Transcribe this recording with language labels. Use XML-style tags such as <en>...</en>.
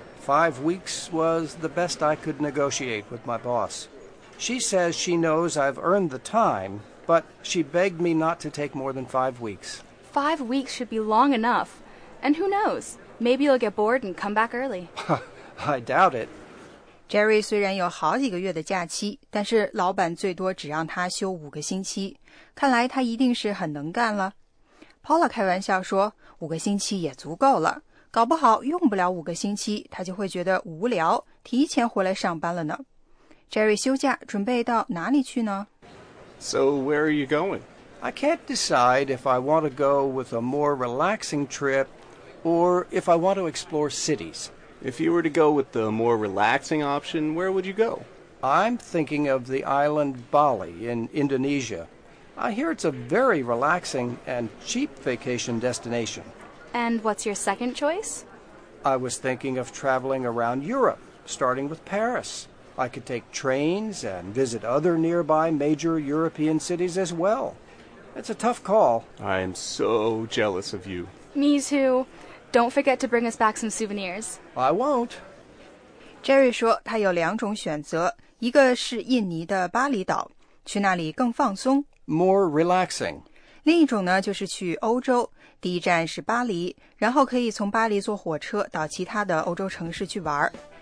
<en>5 weeks was the best I could negotiate with my boss. She says she knows I've earned the time, but she begged me not to take more than 5 weeks. 5 weeks should be long enough. And who knows? Maybe you'll get bored and come back early. I doubt it.</en> <zh>Jerry 虽然有好几个月的假期，但是老板最多只让他休5个星期，看来他一定是很能干了。 Paula 开玩笑说，5个星期也足够了，搞不好用不了5个星期，他就会觉得无聊，提前回来上班了呢。 Jerry 休假准备到哪里去呢</zh> <en>？So where are you going? I can't decide if I want to go with a more relaxing trip, or if I want to explore cities. If you were to go with the more relaxing option, where would you go? I'm thinking of the island Bali in Indonesia. I hear it's a very relaxing and cheap vacation destination. And what's your second choice? I was thinking of traveling around Europe, starting with Paris. I could take trains and visit other nearby major European cities as well. It's a tough call. I am so jealous of you. Me too. Don't forget to bring us back some souvenirs. I won't.</en> <zh>Jerry 说他有两种选择，一个是印尼的巴厘岛，去那里更放松。</zh> <en>More relaxing.</en> <zh>另一种呢，就是去欧洲，第一站是巴黎，然后可以从巴黎坐火车到其他的欧洲城市去玩。</zh>